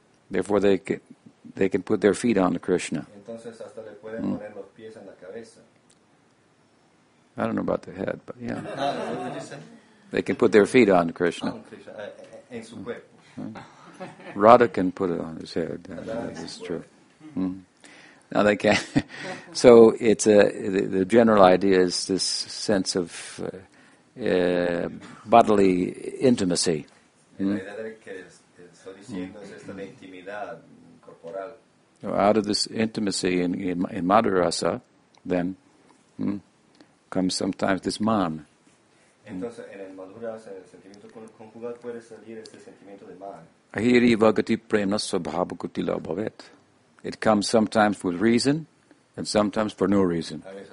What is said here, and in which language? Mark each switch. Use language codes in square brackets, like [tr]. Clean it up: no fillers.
[en] Therefore they can put their feet on Krishna. [es] Entonces, hasta le pueden poner los pies en la cabeza. [en] I don't know about the head, but yeah. They can put their feet on Krishna. [es] En su cuerpo. [en] Radha can put it on his head. That's true. Now they can. So it's the general idea is this sense of bodily intimacy. [es] En realidad, que estoy diciendo es esta de intimidad corporal. [en] know, out of this intimacy in Madhurasa, then comes sometimes this man. [sa] Ahiri vagati prema svabhava kuti labhavet. [en] It comes sometimes with reason and sometimes for no reason.